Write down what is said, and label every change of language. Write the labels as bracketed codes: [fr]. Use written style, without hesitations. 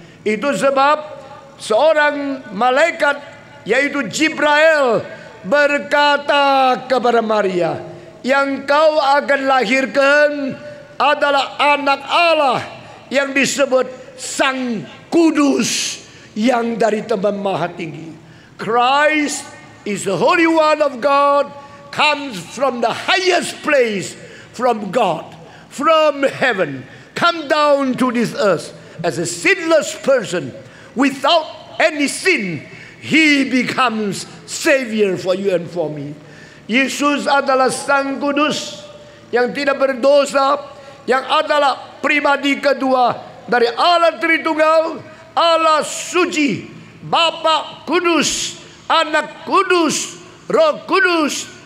[id] Itu sebab seorang malaikat yaitu Jibril berkata kepada Maria, yang kau akan lahirkan adalah anak Allah yang disebut Sang Kudus yang dari tempat maha tinggi. [en] Christ is the Holy One of God, comes from the highest place, from God, from heaven, come down to this earth as a sinless person without any sin. He becomes Savior for you and for me. [id] Yesus adalah Sang Kudus yang tidak berdosa, yang adalah pribadi kedua dari Allah Tritunggal, Allah Suci, Bapa Kudus, Anak Kudus, Roh Kudus.